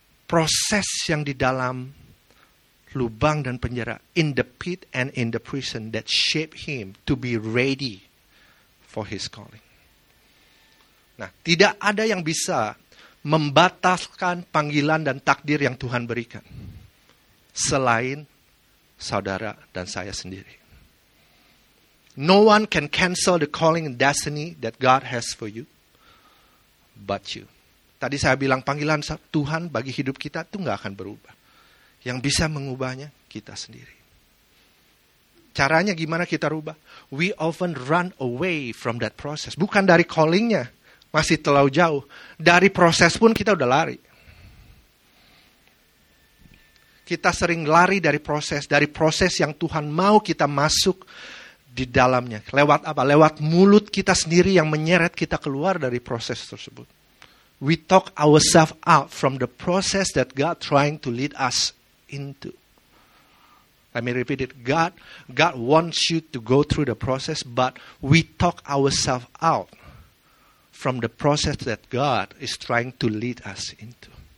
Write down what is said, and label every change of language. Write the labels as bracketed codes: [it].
[id] Proses yang di dalam lubang dan penjara, [en] in the pit and in the prison, that shape him to be ready for his calling. [id] Nah, tidak ada yang bisa membataskan panggilan dan takdir yang Tuhan berikan selain saudara dan saya sendiri. [en] No one can cancel the calling and destiny that God has for you but you. [id] Tadi saya bilang panggilan Tuhan bagi hidup kita itu gak akan berubah. Yang bisa mengubahnya kita sendiri. Caranya gimana kita rubah? [en] We often run away from that process. [id] Bukan dari callingnya, masih terlalu jauh. Dari proses pun kita udah lari. Kita sering lari dari proses yang Tuhan mau kita masuk di dalamnya. Lewat apa? Lewat mulut kita sendiri yang menyeret kita keluar dari proses tersebut. [en] We talk ourselves out from the process that God trying to lead us into. Let me repeat it. God wants you to go through the process, but we talk ourselves out from the process that God is trying to lead us into.